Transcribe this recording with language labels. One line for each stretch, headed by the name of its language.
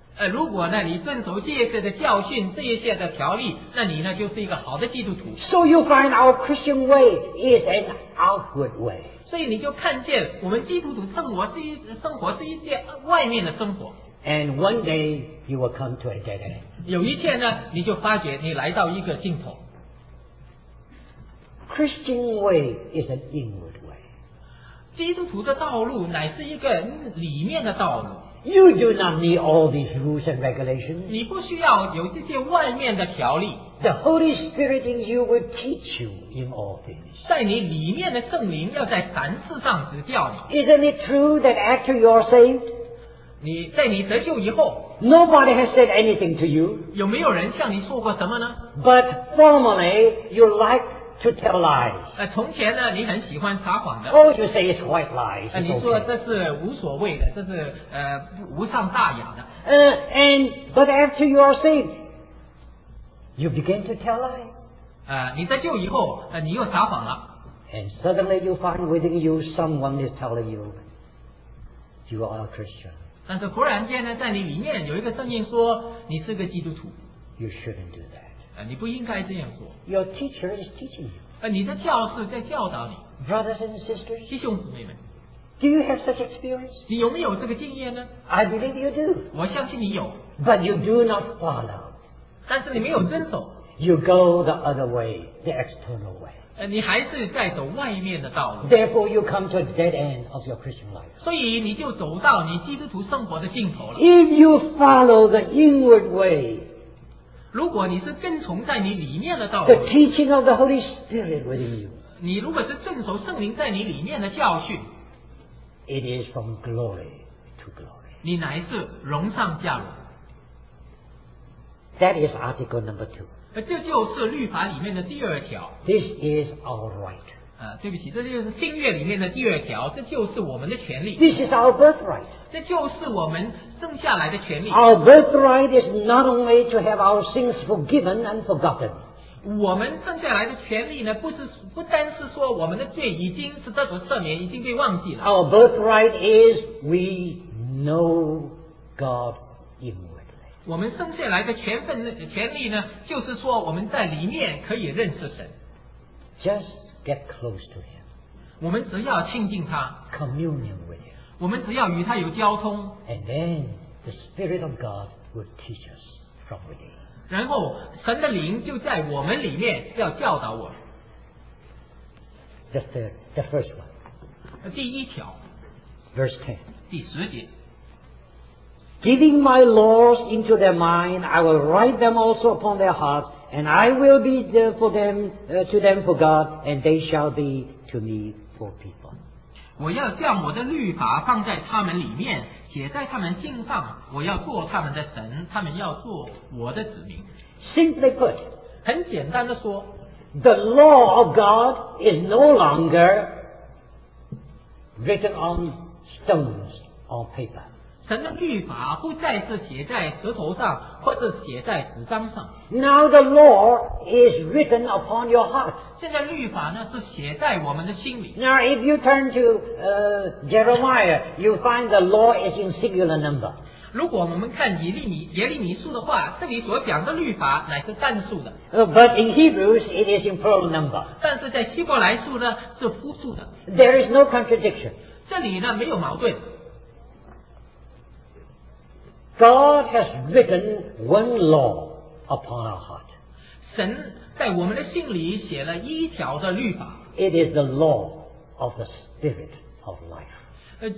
Chinese: 如果呢，你遵守这些的教训，这些的条例，那你呢，就是一个好的基督徒。
English: So you find our Christian way is an outward way.
Chinese: 所以你就看见我们基督徒生活是一些外面的生活。
English: And one day you will come to a dead end.
Chinese: 有一天呢，你就发觉你来到一个尽头。
English: Christian way is an inward way.
Chinese: 基督徒的道路乃是一个里面的道路。
English: You do not need all these rules and regulations.
Chinese: 你不需要有这些外面的条例。
English: The Holy Spirit in you will teach you in all things.
Chinese: 在你里面的圣灵要在凡事上指教你。
English: Isn't it true that after you are saved?
Chinese: 你在你得救以后
English: ，Nobody has said anything to you.
Chinese: 有没有人向你说过什么呢
English: ？But formerly, you like to tell lies.
Chinese: 从前呢，你很喜欢撒谎的。
English: Oh, you say it's white lies.
Chinese: 你说这是无所谓的，这是无伤大雅的。
English: But after you are saved, you begin to tell lies.
Chinese: 你得救以后，你又撒谎了。
English: And suddenly you find within you someone is telling you, you are a Christian.
Chinese: 但是忽然间呢，在你里面有一个声音说你是个基督徒。
English: You shouldn't do that.
Chinese: 你不应该这样说。
English: Your teacher is teaching you.
Chinese: 你的教师在教导你。
English: Brothers and sisters,
Chinese: 弟兄姊妹们。
English: Do you have such experience?
Chinese: 你有没有这个经验呢？
English: I believe you do.
Chinese: 我相信你有。
English: But you do not follow.
Chinese: 但是你没有遵守。
English: You go the other way, the external way.
Chinese: 你还是在走外面的道路。
English: Therefore, you come to a dead end of your Christian life.
Chinese: 所以你就走到你基督徒生活的尽头了。
English: If you follow the inward way,
Chinese: 如果你是跟从在你里面的道路，
English: the teaching of the Holy Spirit within you,
Chinese: 你如果是遵守圣灵在你里面的教训，
English: it is from glory to glory.
Chinese: 你乃是荣上加荣。
English: That is article number two.
Chinese: 这就是律法里面的第二条。
English: This is our right.
Chinese: 对不起，这就是新约里面的第二条，这就是我们的权利。
English: This is our birthright.
Chinese: 这就是我们生下来的权利。
English: Our birthright is not only to have our sins forgiven and forgotten.
Chinese: 我们生下来的权利呢，不单是说我们的罪已经是得着赦免，已经被忘记了。
English: Our birthright is we know God in us.
Chinese: 我们生下来的权利呢，就是说我们在里面可以认识神。
English: Just get close to him.
Chinese: 我们只要亲近他。
English: Communion with him.
Chinese: 我们只要与他有交通。
English: And then the Spirit of God will teach us from within.
Chinese: 然后神的灵就在我们里面要教导我。
English: The first one.
Chinese: 第一条。
English: Verse 10.
Chinese: 第十节。
English: Giving my laws into their mind, I will write them also upon their hearts, and I will be there for them, to them for God, and they shall be to me for people.
Chinese: 我要将我的律法放在他们里面，写在他们心上，我要做他们的神，他们要做我的子民。
English: Simply put,
Chinese: 很简单的说,
English: the law of God is no longer written on stones or paper.
Chinese: 神的律法不再是写在石头上或者写在纸张上。
English: Now the law is written upon your heart.
Chinese: 现在律法呢是写在我们的心里。
English: Now if you turn to Jeremiah, you find the law is in singular number.
Chinese: 如果我们看耶利米书的话，这里所讲的律法乃是单数的。
English: But in Hebrews, it is in plural number.
Chinese: 但是在希伯来书呢是复数的。
English: There is no contradiction.
Chinese: 这里呢没有矛盾。
English: God has written one law upon our heart.
Chinese: 神在我们的心里写了一条的律法。
English: It is the law of the Spirit of life.